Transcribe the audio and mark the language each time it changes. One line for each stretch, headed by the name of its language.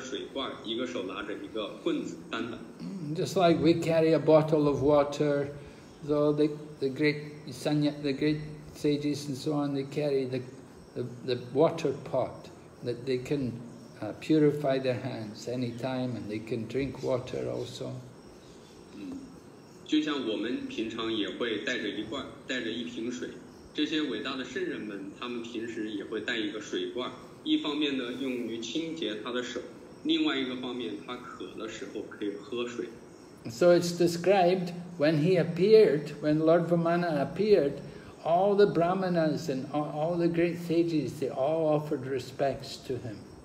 Chinese: 当主柴坦尼亚显现以及他主柴坦尼亚旅行的时候，他一个手拿着水罐，一个手拿着一个棍子，danda.
English: Just like we carry a bottle of water, so the great sages and so on, they carry the water pot that they can purify their hands anytime, and they can drink water also.
Chinese: 就像我们平常也会带着一罐，带着一瓶水。这些伟大的圣人们，他们平时也会带一个水罐，一方面呢用于清洁他的手，另外一个方面他渴的时候可以喝水。
English: So it's described when he appeared, when Lord Vamana appeared, all the brahmanas and all the great sages, they all offered respects to him.